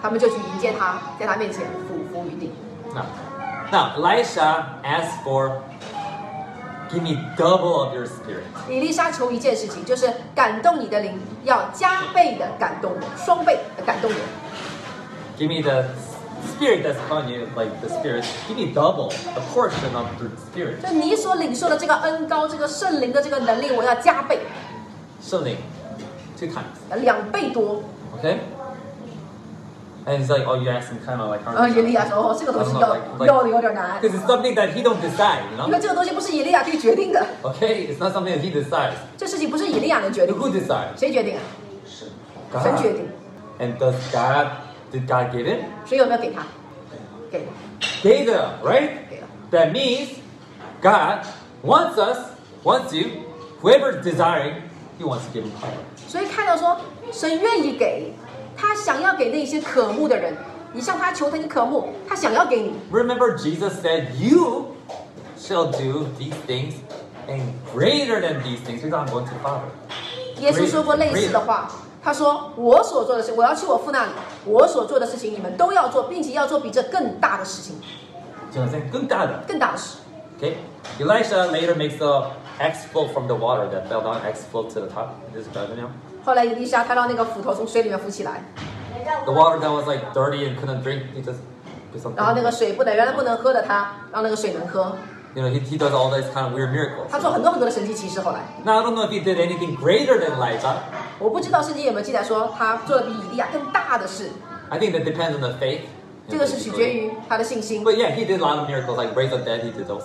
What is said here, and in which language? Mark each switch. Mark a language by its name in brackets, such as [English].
[Chinese] 他们就去迎接他，在他面前俯伏于地。 [English] Now, Elisha asked for. Give me double of your spirit. [Chinese] 以利沙求一件事情，就是感动你的灵，要加倍的感动我，双倍的感动我。 [English] Give me the spirit that's upon you, like the spirit. Give me double the portion of the spirit. [Chinese] 就你所领受的这个恩膏，这个圣灵的这个能力，我要加倍。 [English] 圣灵 2 times. [Chinese] 两倍多。 [English] Okay. And he's like, oh, you're asking kind of like hard. [Chinese] 耶利亚说，哦，这个东西要的有点难。 [English] Because it's something that he don't decide, you know? [Chinese] 因为这个东西不是耶利亚可以决定的。 [English] Okay, it's not something that he decides. [Chinese] 这事情不是耶利亚能决定。 Who decides? 谁决定啊？神。神决定。 [English] And does God, did God give it? [Chinese] 神有没有给他？给的 right? [English] That means God wants us, wants you, whoever desiring, He wants to give power. [Chinese] 所以看到说，神愿意给，他想要给那些渴慕的人。你向他求他，你渴慕，他想要给你。 [English] Remember, Jesus said, "You shall do these things, and greater than these things, because I'm going to the Father." [Chinese] 耶稣说过类似的话。他说我所做的事我要去我父那里我所做的事情你们都要做并且要做比这更大的事情更大的更大的事 [English] okay Elisha later makes a X float from the water that fell down X float to the top this is better now [Chinese] 后来伊丽莎看到那个斧头从水里面浮起来 [English] the water that was like dirty and couldn't drink he just [Chinese] 然后那个水不能原来不能喝的他让那个水能喝 [English] You know, he does all these kind of weird miracles. [Chinese] 他做很多很多的神迹奇事后来。 [English] Now, I don't know if he did anything greater than Elijah. [Chinese] 我不知道圣经有没有记载说他做了比以利亚更大的事。 [English] I think that depends on the faith. [Chinese] 这个是取决于他的信心。 [English] But yeah, he did a lot of miracles, like raise the dead, he did those.